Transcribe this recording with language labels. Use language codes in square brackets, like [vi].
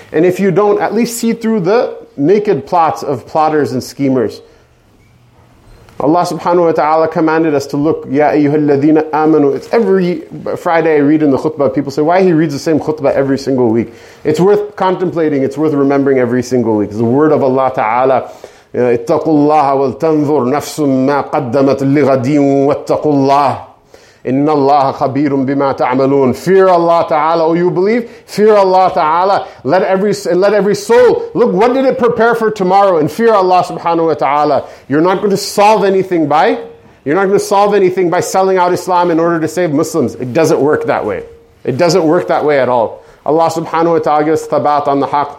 [en] And if you don't, at least see through the naked plots of plotters and schemers. Allah subhanahu wa ta'ala commanded us to look. [ar] Ya ayyuhal ladhina amanu. [en] It's every Friday I read in the khutbah. People say, why he reads the same khutbah every single week? It's worth contemplating. It's worth remembering every single week. It's the word of Allah ta'ala. [ar] اتقوا الله ولتنظر نفس ما قدمت لغد واتقوا الله إن الله خبير بما تعملون. [en] Fear Allah Ta'ala, O you believe, fear Allah Ta'ala. Let every soul look, what did it prepare for tomorrow? And fear Allah Subhanahu wa Ta'ala. You're not going to solve anything by selling out Islam in order to save Muslims. It doesn't work that way. It doesn't work that way at all. Allah Subhanahu wa Ta'ala gives thabat on the haq.